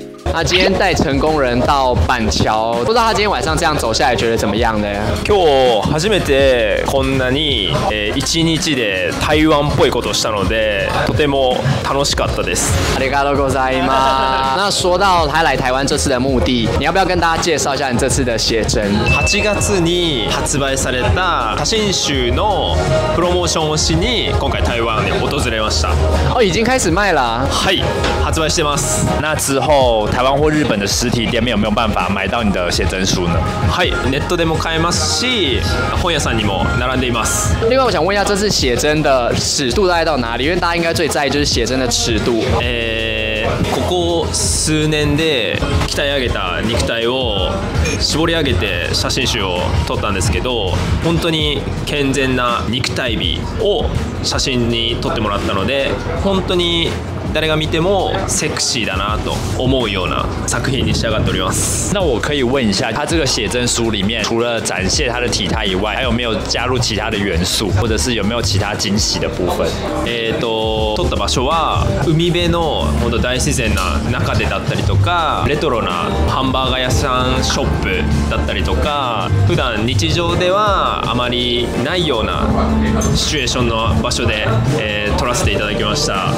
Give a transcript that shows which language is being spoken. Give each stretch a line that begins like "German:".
Chinese: 他今天带成功人到板桥，不知道他今天晚上这样走下来觉得怎么样呢？
Japanese: 今日初めてこんなに一日で台湾っぽいことをしたので、とても楽しかったです。ありがとうございます。
Chinese: 那说到他来台湾这次的目的，你要不要跟大家介绍一下你这次的写真？
Japanese: 8月に発売された写真集のプロモーションをしに今回台湾に訪れました。
Chinese: 哦，已经开始卖了。
Japanese: はい、発売してます。
Chinese: 那之后。台湾或日本的实体店面有没有办法买到你的写真书呢？
Japanese: はい、ネットでも買えますし、本屋さんにも並んでいます。
Chinese: 另外，我想问一下，这次写真的尺度大概到哪里？因为大家应该最在意就是写真的尺度。
Japanese: ここ数年で鍛え上げた肉体を絞り上げて写真集を撮ったんですけど、本当に健全な肉体美を写真に撮ってもらったので、本当に。誰が見てもセクシーだなと思うような作品に仕上がっております。
Chinese: 那我可以问一下，他这个写真书里面除了展现他的体态以外，还有没有加入其他的元素，或者是有没有其他惊喜的部分？
Japanese: 撮った場所は海辺の本当大自然な中でだったりとか、レトロなハンバーガー屋さんショップだったりとか、普段日常ではあまりないようなシチュエーションの場所で撮らせていただきました。